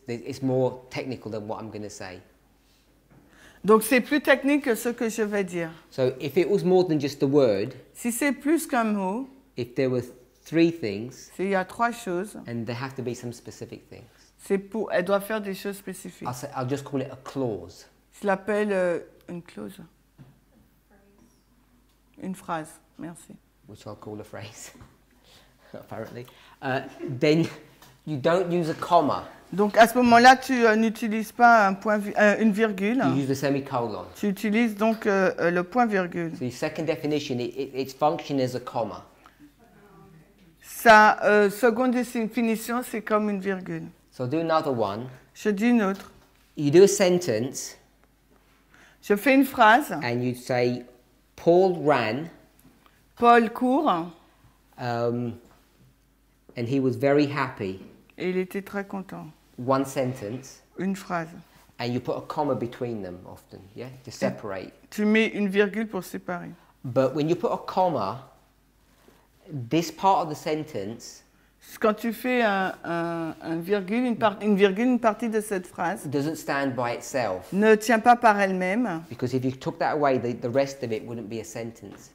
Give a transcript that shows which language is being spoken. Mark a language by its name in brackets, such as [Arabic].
[English] It's more technical than what I'm going to say. [French] Donc c'est plus technique que ce que je vais dire. [English] So if it was more than just the word. [French] Si c'est plus qu'un mot. [English] If there were three things. [French] S'il y a trois choses. [English] And there have to be some specific things. [French] Elle doit faire des choses spécifiques. [English] I'll just call it a clause. [French] Je l'appelle une clause. Une phrase. Merci. [English] Which I'll call a phrase. Apparently, then you don't use a comma. [French] Donc à ce moment-là, tu n'utilises pas un point, une virgule. [English] You use a semicolon. [French] Tu utilises donc le point virgule. [English] So your second definition, its function is a comma. [French] Sa seconde définition, c'est comme une virgule. [English] So do another one. [French] Je dis une autre. [English] You do a sentence. [French] Je fais une phrase. [English] And you say, Paul ran. [French] Paul court. [English] And he was very happy. [French] Et il était très content. [English] One sentence. [French] Une phrase. [English] And you put a comma between them often, yeah? To separate. [French] Tu mets une virgule pour séparer. [English] But when you put a comma, this part of the sentence. [French] Quand tu fais une partie de cette phrase. [English] Doesn't stand by itself. [French] Ne tient pas par elle-même. [English] Because if you took that away, the rest of it wouldn't be a sentence.